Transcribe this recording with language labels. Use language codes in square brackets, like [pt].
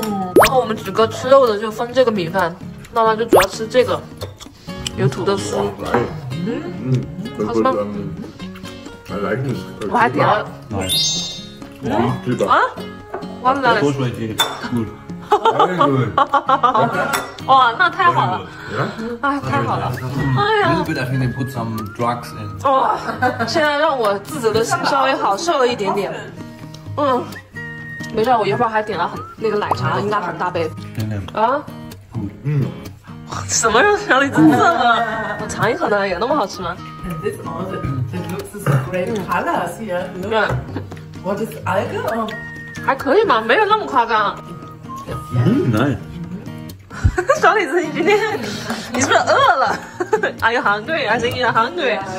[zh] 然后我们几个吃肉的就分这个米饭，娜娜就主要吃这个，有土豆丝。嗯。好吃吗？我还点了。嗯。对吧？啊。哇，那多出来几哈哈哈哈哈！哇，那太好了！哎，太好了！ [en] 哎呀 ，little bit, I think they put some drugs in. [zh] 哇，现在让我自责的稍微好受了一点点。嗯，没事，我一会儿还点了那个奶茶，应该很大杯。啊？嗯。什么肉条你这么了？我尝一口呢，有那么好吃吗 [en] ？And this olive, it looks so great. Color, see, look. What is alga? [zh] 还可以吗？没有那么夸张。嗯，来。小李子，你是不是饿了？ [en] Are you hungry? I think you're hungry.